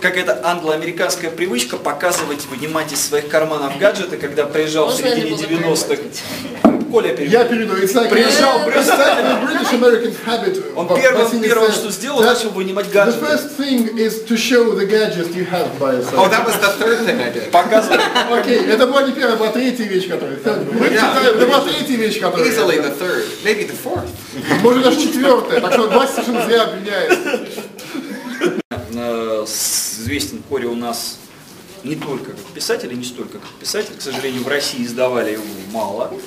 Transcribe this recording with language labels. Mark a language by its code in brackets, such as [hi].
[ru] какая-то англо-американская привычка показывать, вынимать из своих карманов гаджеты, когда приезжал в середине 90-х. Коля переведу. Приезжал [en] в British American habit. [ru] Он первое, что сделал, начал вынимать гаджеты. [en] The first thing is to show the gadgets you have by yourself. Oh, that was the third thing I did. Показывай. [ru] Окей, это была не первая, была третья вещь, которая... [en] Easily the third. Maybe the fourth. [ru] Может, даже четвертая. Так что Вася совершенно зря обвиняет. Известен Кори у нас не только как писатель, и не столько как писатель. К сожалению, в России издавали его мало.